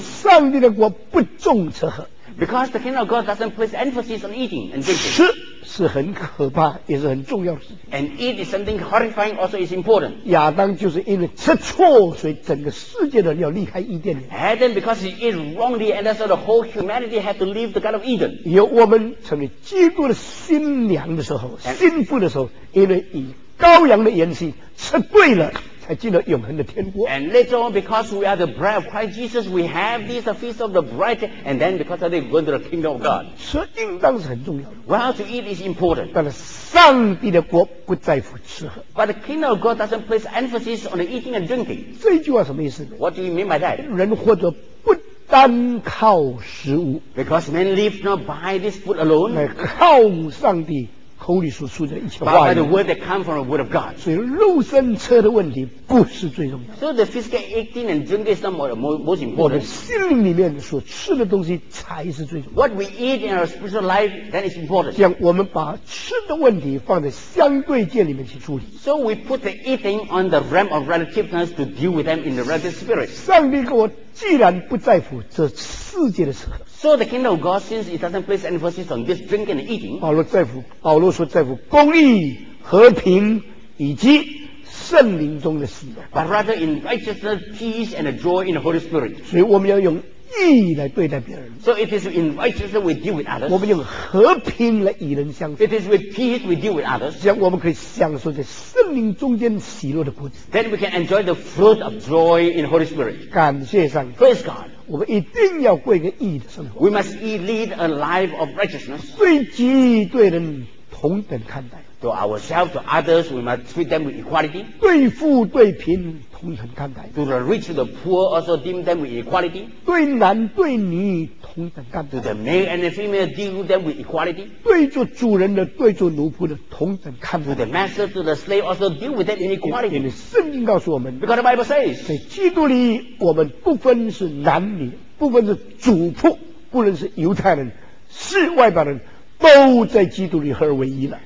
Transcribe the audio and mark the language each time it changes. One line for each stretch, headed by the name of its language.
Chinese: 上帝的国不重吃喝。
English: Because the kingdom of God doesn't place emphasis on eating and drinking。
Chinese: 吃是很可怕也是很重要的事情。
English: And eat is something horrifying, also is important。
Chinese: 亚当就是因为吃错，所以整个世界的人要离开伊甸园。
English: Adam because he eat wrongly and that's why the whole humanity had to leave the Garden of Eden。
Chinese: 有我们成为基督的新娘的时候，新妇的时候，因为以羔羊的筵席吃对了，才进了永恒的天国。
English: And later on because we are the bride of Christ Jesus, we have this feast of the bride, and then because of that we go into the kingdom of God。
Chinese: 吃应当是很重要的。
English: Well, to eat is important。
Chinese: 但是上帝的国不在乎吃喝。
English: But the kingdom of God doesn't place emphasis on the eating and drinking。
Chinese: 这句话什么意思？
English: What do you mean by that?
Chinese: 人活着不单靠食物。
English: Because men live not by this food alone。
Chinese: 来靠上帝口里所出的一切话语。
English: By the word that come from the word of God。
Chinese: 所以肉身吃的问题不是最重要的。
English: So the physical eating and drinking is not more, most important。
Chinese: 我们心灵里面所吃的东西才是最重要的。
English: What we eat in our spiritual life, that is important。
Chinese: 这样我们把吃的问题放在相对界里面去处理。
English: So we put the eating on the realm of relativeness to deal with them in the relative spirit。
Chinese: 上帝给我既然不在乎这世界的吃喝。
English: So the kingdom of God, since it doesn't place emphasis on this drinking and eating,
Chinese: 保罗说在乎公义、和平以及圣灵中的喜乐。
English: But rather in righteousness, peace and joy in the Holy Spirit.
Chinese: 所以我们要用义来对待别人。
English: So it is in righteousness we deal with others.
Chinese: 我们用和平来与人相处。
English: It is with peace we deal with others.
Chinese: 这样我们可以享受在圣灵中间喜乐的果子。
English: Then we can enjoy the fruit of joy in the Holy Spirit.
Chinese: 感谢上帝。
English: Praise God.
Chinese: 我们一定要过一个义的生活。
English: We must lead a life of righteousness。
Chinese: 对己对人同等看待。
English: To ourselves, to others, we must treat them with equality。
Chinese: 对富对贫同等看待。
English: To the rich, to the poor, also deem them with equality。
Chinese: 对男对女同等看待。
English: To the male and the female, deal them with equality。
Chinese: 对做主人的对做奴仆的同等看待。
English: To the master, to the slave, also deal with them in equality。
Chinese: 因为圣经告诉我们，
English: Because the Bible says，
Chinese: 在基督里我们不分是男女，不分是主仆，不论是犹太人是外邦人，都在基督里合而为一了。